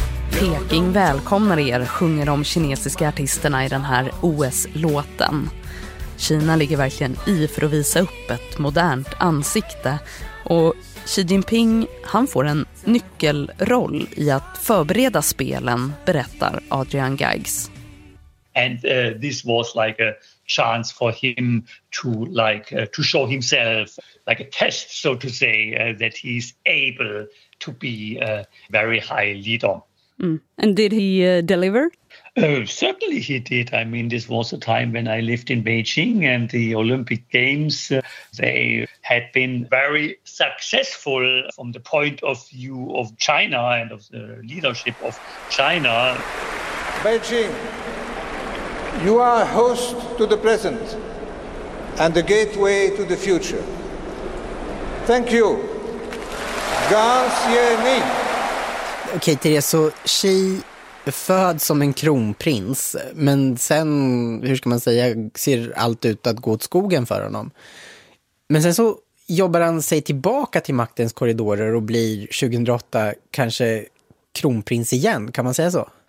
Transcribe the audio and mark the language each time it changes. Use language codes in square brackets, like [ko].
[sv] Peking välkomnar er, sjunger de kinesiska artisterna i den här OS-låten. Kina ligger verkligen i för att visa upp ett modernt ansikte. Och Xi Jinping, han får en nyckelroll i att förbereda spelen, berättar Adrian Geigs. [en] And this was like a chance for him to like to show himself, like a test so to say, that he's able to be a very high leader. And did he deliver? Certainly he did. I mean, this was a time when I lived in Beijing and the Olympic Games, they had been very successful from the point of view of China and of the leadership of China. Beijing, you are a host to the present and the gateway to the future. Thank you. Gansieni. [sv] Okej, Therese, så Xi född som en kronprins, men sen, hur ska man säga, ser allt ut att gå åt skogen för honom. Men sen så jobbar han sig tillbaka till maktens korridorer och blir 2008 kanske kronprins igen, kan man säga så?